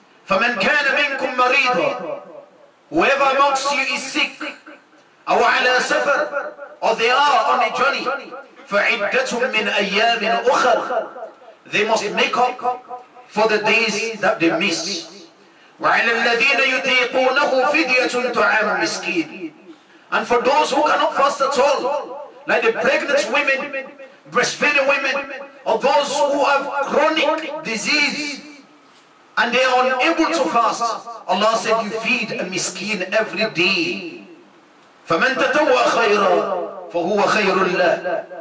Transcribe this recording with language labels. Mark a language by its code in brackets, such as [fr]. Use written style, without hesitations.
[ar] فَمَنْ كَانَ مِنْكُمْ مَرِيدًا. [en] Whoever amongst you is sick, [ar] أو على سفر, [en] or they are on a journey, [ar] فعدة من أيام أخر. [en] They must make up for the days that they miss. [ar] وعلى الذين يطيقونه فدية طعام مسكين. [en] And for those who cannot fast at all, like the pregnant women, breastfeeding women, or those who have chronic disease and they are unable to fast, Allah said, you feed a miskin every day. [ar] فَمَنْ تَتَوَّى خَيْرًا فَهُوَ خَيْرُ اللَّهِ.